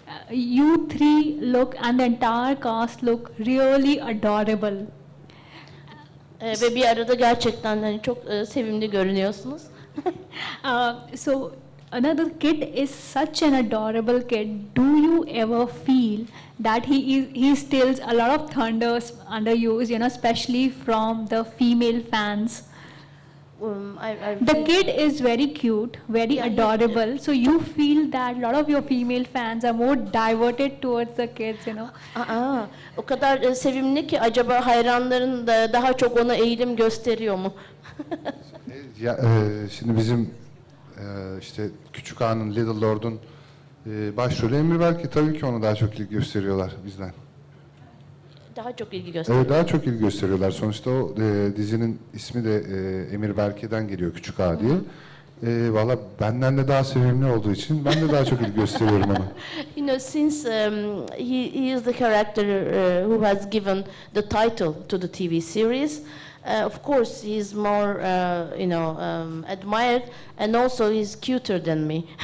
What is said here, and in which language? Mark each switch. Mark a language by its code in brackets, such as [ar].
[en] You three look, and the entire cast look really adorable. [tr] Ve bir arada gerçekten hani çok sevimli görünüyorsunuz. [en] So another kid is such an adorable kid. Do you ever feel that he steals a lot of thunders under yous, you know, especially from the female fans? The kid is very cute, very adorable. So you feel that a lot of your female fans are more diverted towards the kids, you know. [tr] O kadar sevimli ki acaba hayranların da daha çok ona eğilim gösteriyor mu? Ya şimdi bizim işte küçük ağanın Little Lord'un başrolü Emir belki tabii ki ona daha çok ilgi gösteriyorlar bizden. Daha çok ilgi gösteriyorlar. Daha çok ilgi gösteriyorlar. Sonuçta o dizinin ismi de Emir Berke'den geliyor Küçük Ağa diye. Valla benden de daha sevimli olduğu için ben de daha çok ilgi gösteriyorum ona. [en] You know, since he is the character who has given the title to the TV series, of course he is more, you know, admired and also he's cuter than me.